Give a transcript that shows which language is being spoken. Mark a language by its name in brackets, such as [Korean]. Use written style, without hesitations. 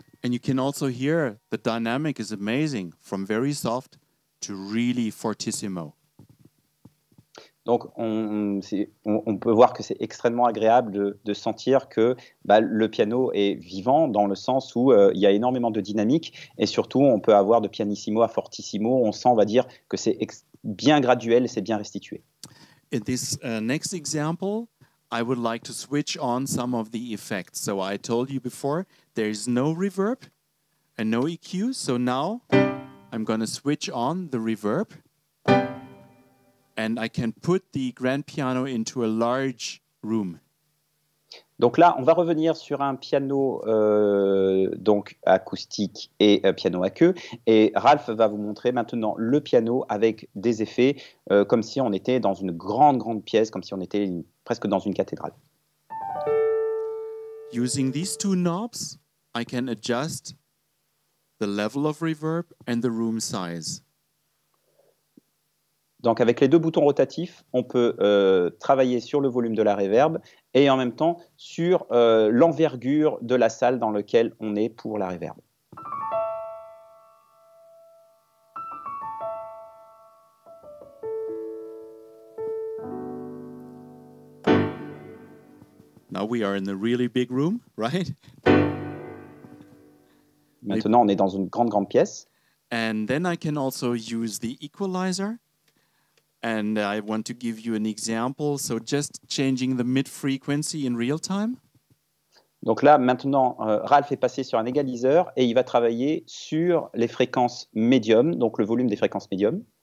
[English] You can also hear the dynamic is amazing, from very soft to really fortissimo. [French] Donc on peut voir que c'est extrêmement agréable de sentir que bah, le piano est vivant dans le sens où il y a énormément de dynamique et surtout on peut avoir de pianissimo à fortissimo, on sent, on va dire, que c'est bien graduel et c'est bien restitué. [English] In this next example, I would like to switch on some of the effects. So I told you before, there is no reverb and no EQ. So now I'm going to switch on the reverb and I can put the grand piano into a large room. [French] Donc là, on va revenir sur un piano donc acoustique et piano à queue. Et Ralph va vous montrer maintenant le piano avec des effets comme si on était dans une grande, grande pièce, comme si on était presque dans une cathédrale. [English] Using these two knobs, I can adjust the level of reverb and the room size. [French] Donc avec les deux boutons rotatifs, on peut travailler sur le volume de la réverb et en même temps sur l'envergure de la salle dans laquelle on est pour la réverb. [English] Now we are in a really big room, right? [French] Maintenant, on est dans une grande, grande pièce. [English] And then I can also use the equalizer. And I want to give you an example, so just changing the mid-frequency in real time. [French] Donc là, maintenant, Ralph est passé sur un égaliseur et il va travailler sur les fréquences médium, donc le volume des fréquences médium.